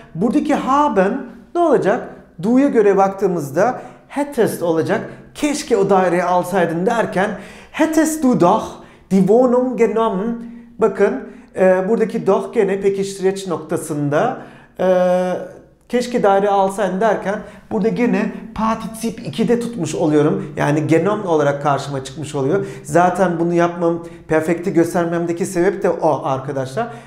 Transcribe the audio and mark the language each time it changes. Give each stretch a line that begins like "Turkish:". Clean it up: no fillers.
Turkish: Buradaki haben ne olacak? Du'ya göre baktığımızda hättest olacak. Keşke o daireyi alsaydın derken
German: hättest du doch die Wohnung genommen.
Turkish: Bakın buradaki doch gene pekiştireç noktasında keşke daireyi alsaydın derken burada gene partizip 2'de tutmuş oluyorum. Yani genom olarak karşıma çıkmış oluyor. Zaten bunu yapmam, perfekti göstermemdeki sebep de o arkadaşlar.